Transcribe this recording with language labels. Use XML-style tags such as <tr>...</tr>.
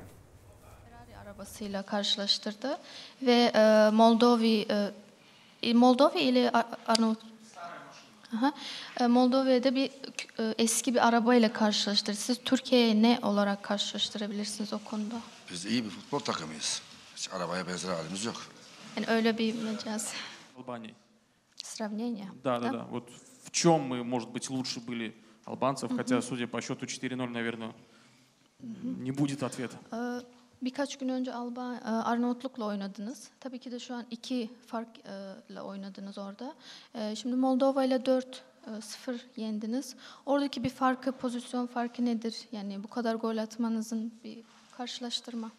<tr>Ferrari arabasıyla karşılaştırdı ve Moldova'da bir eski bir arabayla karşılaştırdı. Siz Türkiye'ye ne olarak karşılaştırabilirsiniz o konuda? Biz iyi bir futbol takımıyız. Hiç arabaya benzer halimiz yok. Yani öyle bir mecaz. Albanya.</tr> <ru>Sравнение. Да. Вот в чём мы, может быть, лучше были албанцев, хотя судя по счёту 4-0, наверное, не будет ответа.</ru> <tr>Birkaç gün önce Arnavutluk'la oynadınız. Tabii ki de şu an iki farkla oynadınız orada. Şimdi Moldova ile 4-0 yendiniz. Oradaki bir farkı, pozisyon farkı nedir? Yani bu kadar gol atmanızın bir karşılaştırma.</tr>